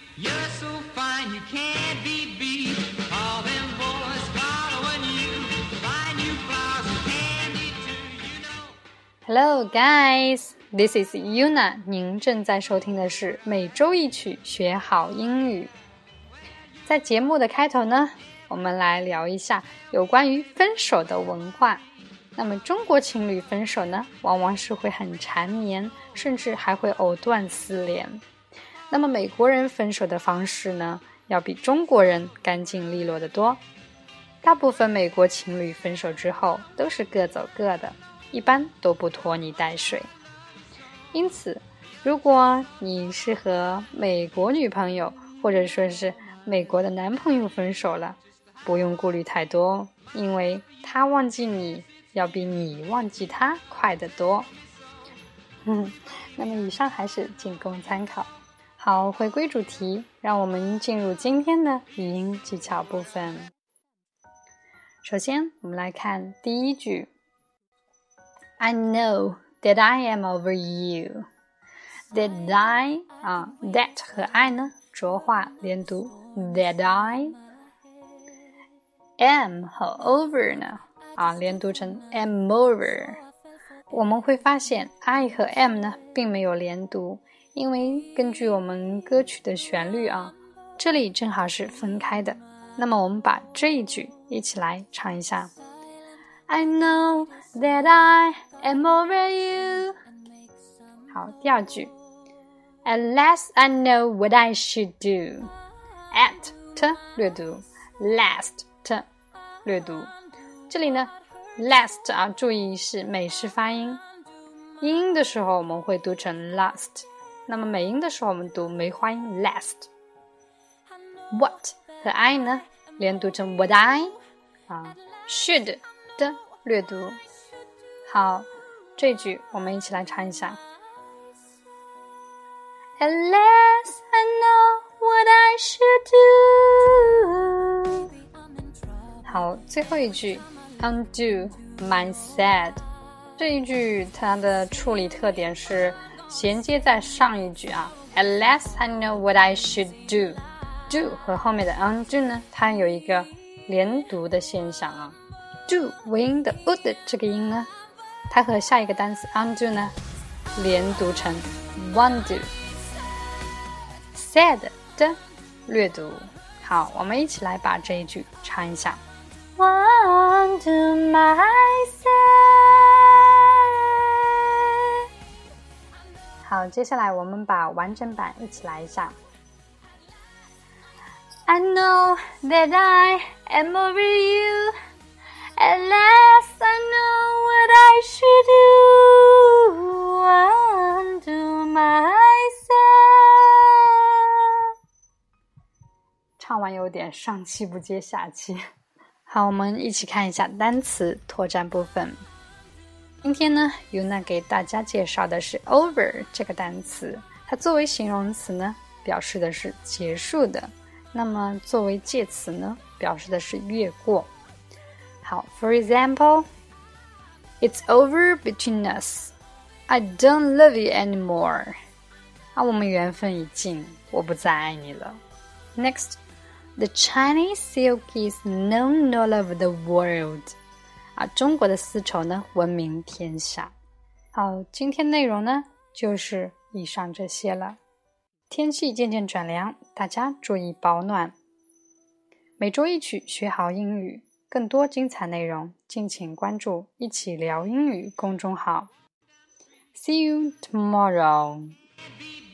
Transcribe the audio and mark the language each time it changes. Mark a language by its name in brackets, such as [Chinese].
[English] You're so fine, you can't be beat. All them boys following you, buying you flowers and candy too, you know. Hello, guys. This is Yuna. [Chinese] 您正在收听的是每周一曲学好英语。在节目的开头呢，我们来聊一下有关于分手的文化。那么中国情侣分手呢，往往是会很缠绵，甚至还会藕断丝连。那么美国人分手的方式呢，要比中国人干净利落得多。大部分美国情侣分手之后都是各走各的，一般都不拖泥带水。因此，如果你是和美国女朋友或者说是美国的男朋友分手了，不用顾虑太多，因为他忘记你要比你忘记他快得多。那么以上还是仅供参考。好，回归主题，让我们进入今天的语音技巧部分。首先我们来看第一句， [English] I knowThat I am over you. [Chinese] That I,that 和 I 呢，浊化连读。 [English] That I am 和 over 呢，连读成 am over. [Chinese] 我们会发现 I 和 am 呢，并没有连读，因为根据我们歌曲的旋律啊，这里正好是分开的。那么我们把这一句一起来唱一下。 [English] I know that I am over you. 好，第二句。 At last I know what I should do. At, t, 略读。Last, t, 略读。 [Chinese] 这里呢 last, 注意是美式发音。英音的时候我们会读成 last, 那么美音的时候我们读梅花音 last。 What 和 I 呢连读成 what I, should,略读。好，这句我们一起来唱一下。 [English] At last I know what I should do. 好，最后一句 Undo my sad. [Chinese] 这一句它的处理特点是衔接在上一句啊。 [English] At last I know what I should do. [Chinese] Do 和后面的 undo 呢，它有一个连读的现象啊。 Do 尾音的 would 这个音呢，它和下一个单词 undo 呢连读成 undo。 Sad 的略读。好，我们一起来把这一句唱一下。 [English] Undo my sad。 [Chinese] 好，接下来我们把完整版一起来一下。 [English] I know that I am over youAt last I know what I should do. Undo myself. [Chinese] 唱完有点上气不接下气。好，我们一起看一下单词拓展部分。今天呢 Yuna 给大家介绍的是 over 这个单词，它作为形容词呢表示的是结束的，那么作为介词呢表示的是越过。 [English] 好， for example, It's over between us. I don't love you anymore. [Chinese] 我们缘分已尽，我不再爱你了。 [English] Next, The Chinese silk is known all over the world. [Chinese] 中国的丝绸呢，闻名天下。好，今天内容呢，就是以上这些了。天气渐渐转凉，大家注意保暖。每周一曲学好英语。更多精彩内容，敬请关注一起聊英语公众号。 See you tomorrow!